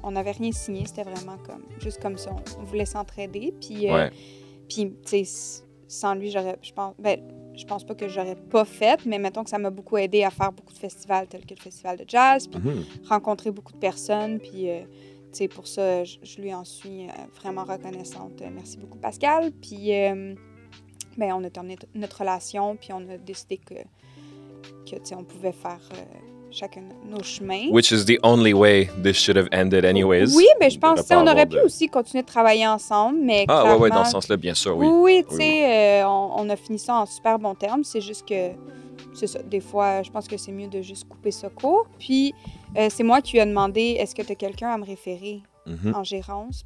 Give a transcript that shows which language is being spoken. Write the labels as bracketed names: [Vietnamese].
[French] On n'avait rien signé, c'était vraiment comme juste comme ça. On voulait s'entraider, puis puis tu sais, sans lui, j'aurais, je pense, ben, je pense pas que j'aurais pas fait, mais mettons que ça m'a beaucoup aidé à faire beaucoup de festivals tels que le festival de jazz, puis rencontrer beaucoup de personnes, puis tu sais, pour ça, je lui en suis vraiment reconnaissante. Merci beaucoup, Pascal. Puis ben, on a terminé notre relation, puis on a décidé que t'sais, on pouvait faire chacun nos chemins. [English] Which is the only way this should have ended anyways. [French] Oui, mais je pense qu'on aurait pu aussi continuer de travailler ensemble, mais ouais, dans ce sens-là, bien sûr, oui. Oui, tu sais, on a fini ça en super bons termes. C'est juste que, c'est ça, des fois, je pense que c'est mieux de juste couper ça court. Puis, c'est moi qui lui ai demandé, est-ce que tu as quelqu'un à me référer en gérance?